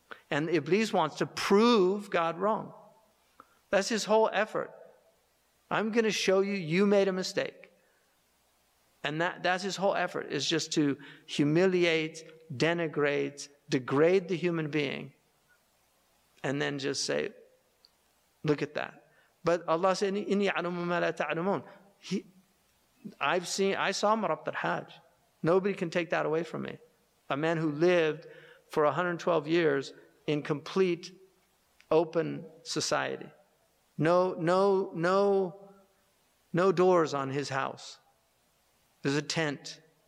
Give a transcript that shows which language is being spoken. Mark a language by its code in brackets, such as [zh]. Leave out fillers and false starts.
[en] And Iblis wants to prove God wrong. That's his whole effort. I'm going to show you, you made a mistake. And that's his whole effort, is just to humiliate, denigrate, degrade the human being. And then just say, look at that. But Allah said, [ar] إِنِّي أَعْلَمُ مَا لَا تَعْلَمُونَ. [en] I saw Marabt al-Hajj. Nobody can take that away from me. A man who lived for 112 years in complete open society. No doors on his house. There's a tent.